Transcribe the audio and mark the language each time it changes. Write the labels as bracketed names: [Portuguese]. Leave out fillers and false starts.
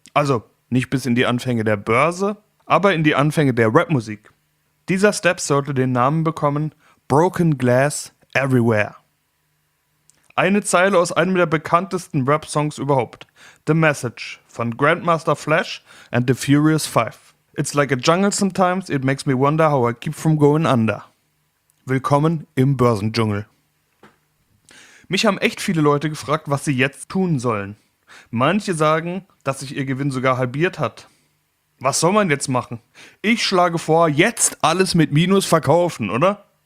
[German] Also nicht bis in die Anfänge der Börse, aber in die Anfänge der Rapmusik. Dieser Step sollte den Namen bekommen Broken Glass Everywhere. Eine Zeile aus einem der bekanntesten Rap-Songs überhaupt, The Message von Grandmaster Flash and The Furious Five. [English] It's like a jungle sometimes, it makes me wonder how I keep from going under. [German] Willkommen im Börsendschungel. Mich haben echt viele Leute gefragt, was sie jetzt tun sollen. Manche sagen, dass sich ihr Gewinn sogar halbiert hat. Was soll man jetzt machen? Ich schlage vor, jetzt alles mit Minus verkaufen, oder?